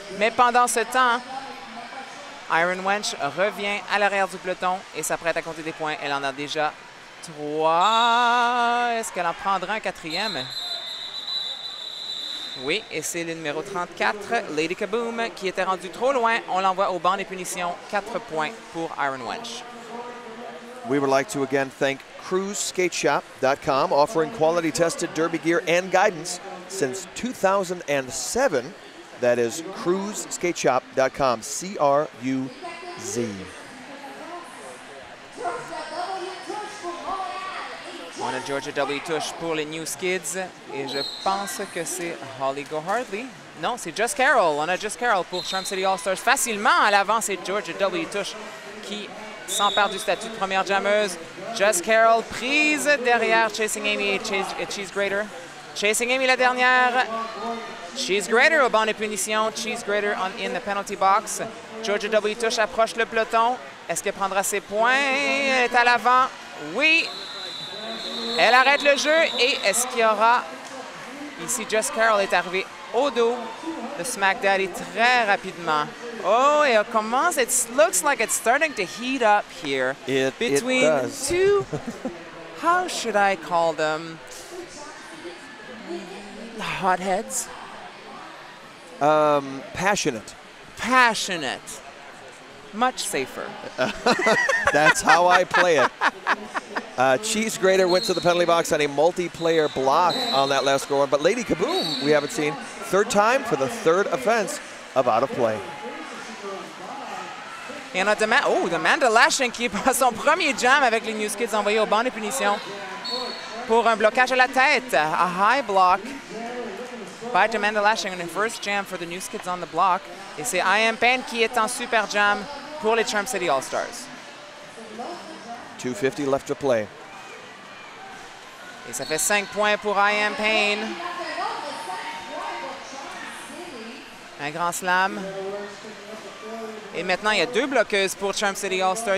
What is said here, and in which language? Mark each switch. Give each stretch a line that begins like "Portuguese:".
French: Mais pendant ce temps, Iron Wench revient à l'arrière du peloton et s'apprête à compter des points. Elle en a déjà 3. Est-ce qu'elle en prendra un quatrième? Oui, et c'est le numéro 34, Lady Kaboom, qui était rendue trop loin. On l'envoie au banc des punitions. 4 points pour Iron Wench.
English: We would like to again thank CruiseSkateShop.com, offering quality-tested derby gear and guidance since 2007. That is CruiseSkateShop.com, CRUZ.
French: On a Georgia W. Tush pour les News Kids. Et je pense que c'est Holly Gohardley Non, c'est Just Carroll. On a Just Carroll pour Charm City All-Stars. Facilement à l'avant, c'est Georgia W. Tush qui s'empare du statut de première jammeuse. Just Carroll prise derrière Chasing Amy et Cheese Grater. Chasing Amy la dernière. Cheese Grater au banc de punition.
English: Cheese Grater on in the penalty box. Georgia W. Tush
French: approche le peloton. Est-ce qu'elle prendra ses points? Elle est à l'avant. Oui. Elle arrête le jeu. Et est-ce qu'il y aura... Ici, Just Carroll est arrivé au dos de Smack Daddy très rapidement.
English: Oh, it commence. It looks like it's starting to heat up here. It does. How should I call them? Hotheads? Passionate. Passionate. Much safer. That's how I play it. Cheese Grater went to the penalty box on a multiplayer block on that last score, but Lady Kaboom, we haven't seen. Third time for the third offense of out of play.
French: Et on a demandé, oh, Amanda Lashing qui passe son premier jam avec les News Kids envoyés au banc de punition pour un blocage à la tête.
English: A high block by Amanda Lashing on the first jam for the News Kids on the block.
French: Et c'est I Am Pain qui est en super jam pour les Charm City All-Stars.
English: 2:50 left to play.
French: Et ça fait 5 points pour I Am Pain. Un grand slam. Et maintenant, il y a deux bloqueuses pour Charm City All-Stars.